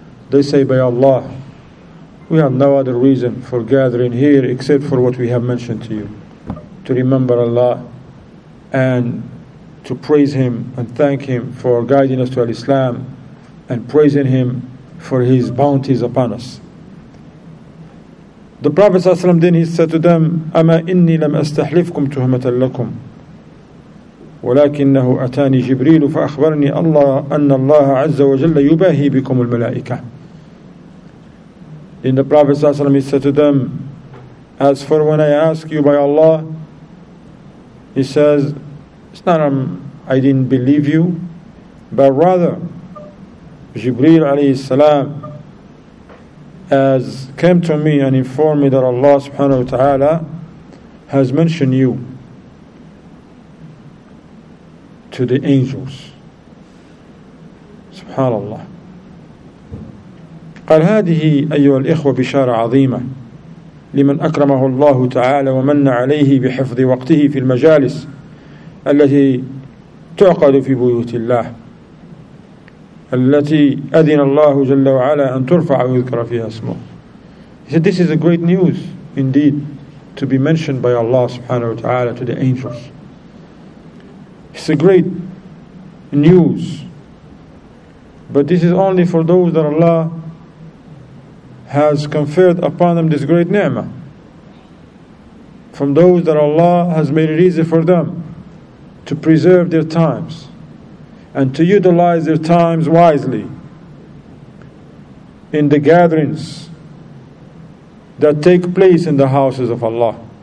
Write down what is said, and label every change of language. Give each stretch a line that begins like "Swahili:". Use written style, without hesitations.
English: They say, by Allah, we have no other reason for gathering here except for what we have mentioned to you, to remember Allah and to praise Him and thank Him for guiding us to Al-Islam and praising Him for His bounties upon us. The Prophet ﷺ then he said to them,
Arabic: أَمَا إِنِّي لَمْ أَسْتَحْلِفْكُمْ تُهْمَةً لَكُمْ ولكنه أتاني جبريل فأخبرني الله أن الله عز وجل يباهي بكم الملائكة.
English: In the Prophet ﷺ said to them, as for when I ask you by Allah, he says, it's not I didn't believe you, but rather, Jibreel عليه السلام has came to me and informed me that Allah subhanahu wa ta'ala has mentioned you to the angels. Subhanallah.
Arabic: قال هذه أيها الإخوة بشارة عظيمة لمن أكرمه الله تعالى ومن عليه بحفظ وقته في المجالس التي تعقد في بيوت الله التي أذن الله جل وعلا أن ترفع ويذكر فيها اسمه.
English: He said, this is a great news indeed to be mentioned by Allah subhanahu wa ta'ala to the angels. It's a great news, but this is only for those that Allah has conferred upon them this great ni'mah, from those that Allah has made it easy for them to preserve their times and to utilize their times wisely in the gatherings that take place in the houses of Allah.